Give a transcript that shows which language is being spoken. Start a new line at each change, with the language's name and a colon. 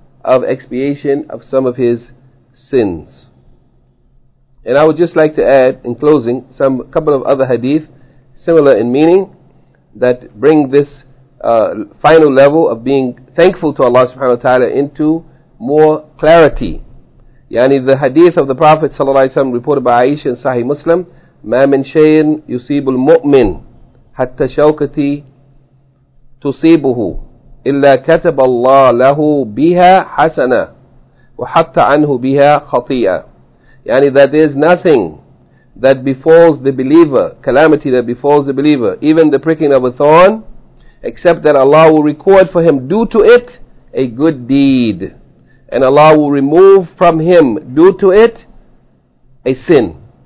English: Of expiation of some of his sins. And I would just like to add, in closing, a couple of other hadith, similar in meaning, that bring this final level of being thankful to Allah subhanahu wa ta'ala into more clarity.
Arabic: Yani
English: the hadith of the Prophet sallallahu alayhi wa sallam reported by Aisha in Sahih Muslim,
Arabic: مَا مِنْ شَيْءٍ يُصِيبُ الْمُؤْمِنِ حَتَّى شَوْكَتِي تُصِيبُهُ إِلَّا كَتَبَ اللَّهُ لَهُ بِهَا حَسَنًا وَحَطَّ عَنْهُ بِهَا خَطِيئًا.
English: Yani that there is nothing that befalls the believer, calamity that befalls the believer, even the pricking of a thorn, except that Allah will record for him due to it a good deed. And Allah will remove from him due to it a sin.